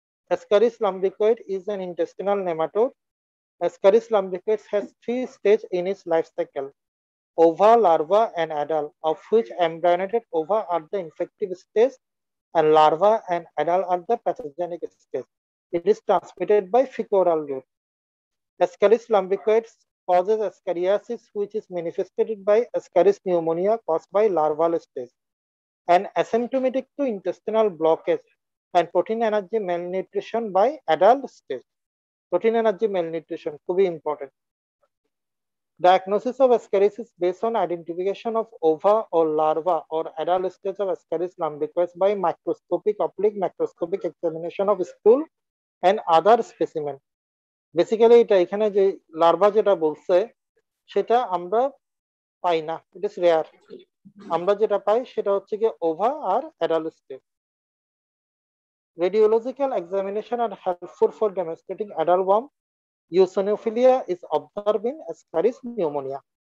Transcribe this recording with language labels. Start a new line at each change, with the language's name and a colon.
English: Ascaris lumbricoides is an intestinal nematode. Ascaris lumbricoides has three stage in its life cycle, ova, larva and adult, of which embryonated ova are the infective stage and larva and adult are the pathogenic stage. It is transmitted by fecal route. Ascaris lambicoides causes ascariasis, which is manifested by Ascaris pneumonia caused by larval stage. And asymptomatic to intestinal blockage and protein energy malnutrition by adult stage. Protein energy malnutrition could be important. Diagnosis of Ascaris is based on identification of ova or larva or adult stage of Ascaris lambicoides by microscopic oblique macroscopic examination of stool and other specimen.
Bangla: Basically, এটা এখানে যে larva যেটা বলছে সেটা আমরা পাই না,
English: It is rare.
Bangla: আমরা যেটা পাই সেটা হচ্ছে কি, ওভা আর adult stage.
English: Radiological examination are helpful for demonstrating adult worm, eosinophilia is observe in Ascaris pneumonia.